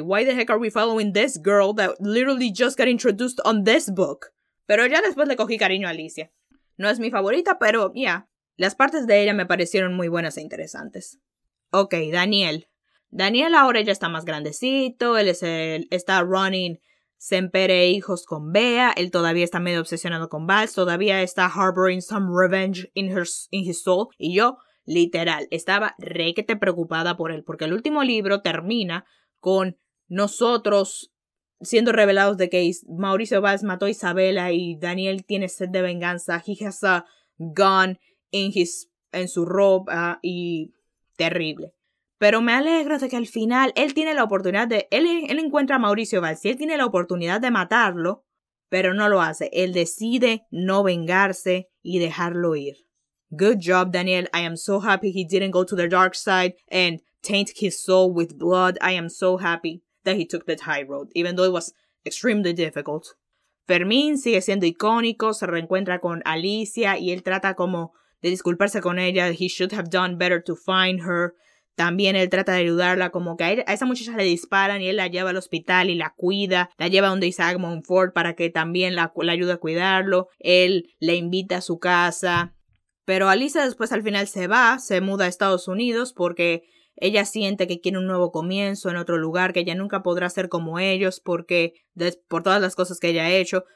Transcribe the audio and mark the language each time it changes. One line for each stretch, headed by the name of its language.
English: Why the heck are we following this girl that literally just got introduced on this book?
Spanish: Pero ya después le cogí cariño a Alicia. No es mi favorita, pero yeah. Las partes de ella me parecieron muy buenas e interesantes. Ok, Daniel. Daniel ahora ya está más grandecito. Él es el, está
English: running
Spanish: Sempere e hijos con Bea. Él todavía está medio obsesionado con Vals. Todavía está
English: harboring some revenge in his soul.
Spanish: Y yo, literal, estaba requete preocupada por él. Porque el último libro termina con nosotros siendo revelados de que Mauricio Vals mató a Isabela y Daniel tiene sed de venganza.
English: He has a gun
Spanish: en su ropa y terrible. Pero me alegro de que al final él tiene la oportunidad de... Él encuentra a Mauricio Valls y él tiene la oportunidad de matarlo, pero no lo hace. Él decide no vengarse y dejarlo ir.
English: Good job, Daniel. I am so happy he didn't go to the dark side and taint his soul with blood. I am so happy that he took the high road, even though it was extremely difficult.
Spanish: Fermín sigue siendo icónico, se reencuentra con Alicia y él trata como de disculparse con ella.
English: He should have done better to find her.
Spanish: También él trata de ayudarla, como que a esa muchacha le disparan y él la lleva al hospital y la cuida. La lleva donde Isaac Monfort para que también la ayude a cuidarlo. Él le invita a su casa. Pero Alicia después al final se muda a Estados Unidos porque ella siente que quiere un nuevo comienzo en otro lugar, que ella nunca podrá ser como ellos por todas las cosas que ella ha hecho.